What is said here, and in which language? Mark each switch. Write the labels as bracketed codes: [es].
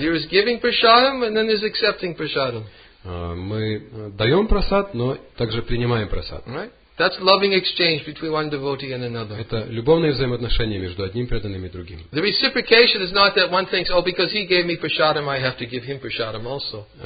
[en] There is giving prasadam and then there is accepting prasadam. [ru] Мы даем прасад, но также принимаем прасад. [en] Right? That's loving exchange between one devotee and another. [ru] Это любовные взаимоотношения между одним преданным и другим. [en] The reciprocation is not that one thinks, oh, because he gave me prasadam, I have to give him prasadam also.